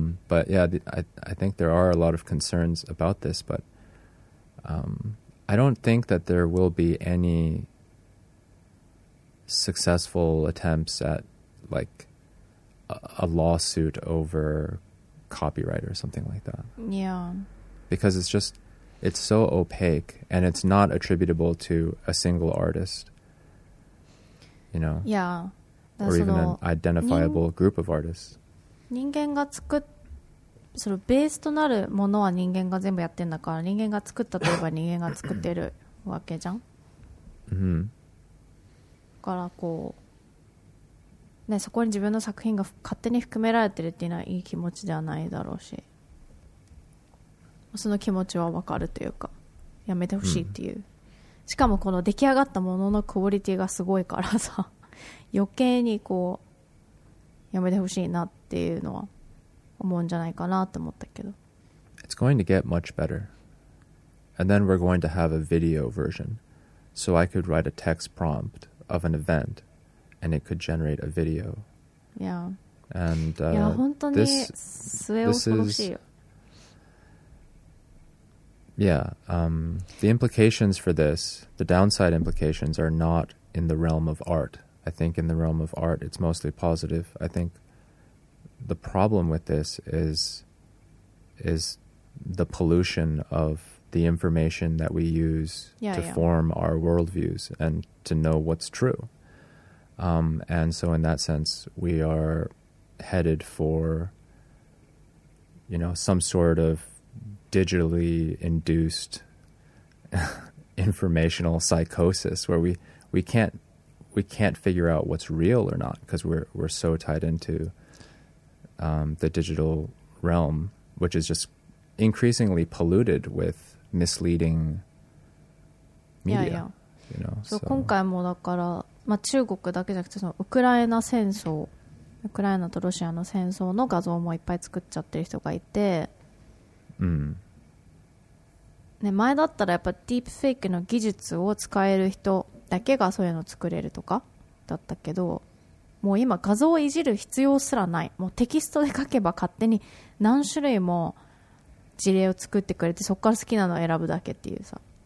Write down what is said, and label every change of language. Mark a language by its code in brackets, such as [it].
[en] I think there are a lot of concerns about this, but I don't think that there will be any successful attempts at, like, a lawsuit over copyright or something like that. Yeah. Because it's so opaque, and it's not attributable to a single artist, you know? Yeah. Or even an identifiable group of artists. [ja] 人間が作っそのベースとなるものは人間が全部やってんだから、人間が作ったといえば人間が作ってるわけじゃん。うん。だからこうね、そこに自分の作品が勝手に含められてるっていうのはいい気持ちではないだろうし、その気持ちはわかるというか、やめてほしいっていう。しかもこの出来上がったもののクオリティがすごいからさ、余計にこうやめてほしいなっていうのは思うんじゃないかなって思ったけど。 [en] It's going to get much better. And then we're going to have a video version. So I could write a text prompt of an event and it could generate a video. Yeah. And this is... [ja] いや、本当に末恐ろしいよ。 [en] Yeah. The implications for this, the downside implications are not in the realm of art. I think in the realm of art, it's mostly positive. I think the problem with this is the pollution of the information that we use form our worldviews and to know what's true. And so in that sense, we are headed for, you know, some sort of digitally induced informational psychosis where we can't figure out what's real or not because we're so tied into the digital realm, which is just increasingly polluted with misleading media. Yeah, yeah. You know, [ja] so 今回もだから、まあ、中国だけじゃなくてそのウクライナ戦争、ウクライナとロシアの戦争の画像もいっぱい作っちゃってる人がいて、うん、ね、前だったらやっぱディープフェイクの技術を使える人だけがそういうの作れるとかだったけど、もう今画像をいじる必要すらない、もうテキストで書けば勝手に何種類も事例を作ってくれて、そこから好きなのを選ぶだけっていうさ。